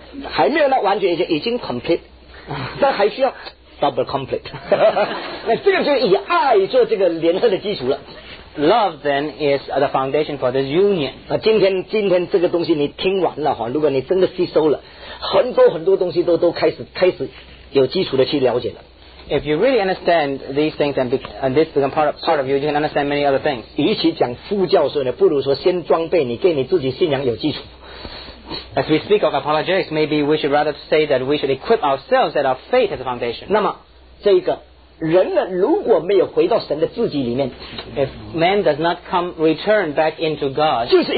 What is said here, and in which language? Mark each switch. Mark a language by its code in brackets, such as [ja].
[zh] 还没有完全已经 [en] complete， [zh] 但还需要 [en] double complete。 [zh] 那这个就是以爱做这个联合的基础了。 [en] Love then is the foundation for this union. [zh] 今天这个东西你听完了，如果你真的吸收了，很多很多东西都开始有基础的去了解了。 [en] If you really understand these things and this become part of you, you can understand many other things. [zh] 与其讲副教授呢，不如说先装备你，给你自己信仰有基础。 [en] As we speak of apologetics, maybe we should rather say that we should equip ourselves that our faith is a foundation. [zh] 那么，这个。人呢，如果没有回到神的自己里面， [en] if man does not come return back into God，